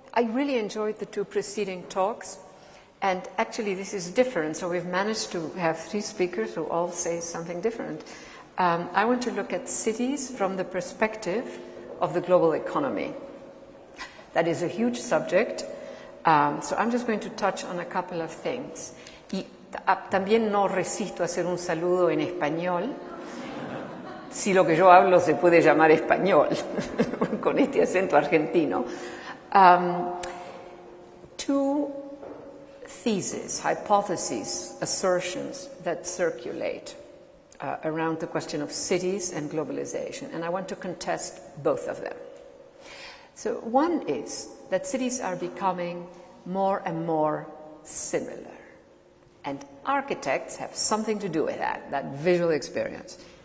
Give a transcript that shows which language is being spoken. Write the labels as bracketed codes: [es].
[en] I really enjoyed the two preceding talks, and actually this is different, so we've managed to have three speakers who all say something different. I want to look at cities from the perspective of the global economy. That is a huge subject, so I'm just going to touch on a couple of things. [es] Y también no resisto hacer un saludo en español, si lo que yo hablo se puede llamar español, con este acento argentino. [en] Two theses, hypotheses, assertions that circulate around the question of cities and globalization, and I want to contest both of them. So one is that cities are becoming more and more similar, and architects have something to do with that, that visual experience.